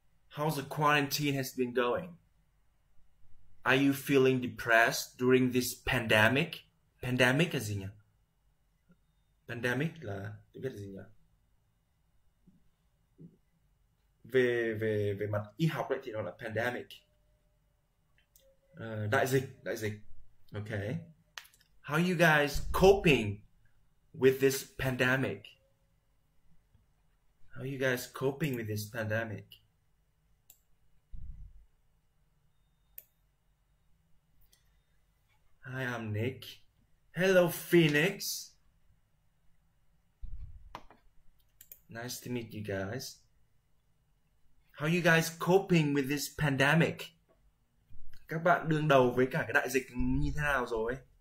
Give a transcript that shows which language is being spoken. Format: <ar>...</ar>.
<en>How's the quarantine has been going? Are you feeling depressed during this pandemic?</en> <vi>Pandemic là gì nhỉ? Pandemic là tiếng Việt là gì nhỉ? Về về về mặt y học đấy thì nó là pandemic. Đại dịch. Okay.</vi> <en>How are you guys coping with this pandemic? How are you guys coping with this pandemic? Hi, I'm Nick. Hello, Phoenix. Nice to meet you guys. How are you guys coping with this pandemic?</en> <vi>Các bạn đương đầu với cả cái đại dịch như thế nào rồi?</vi>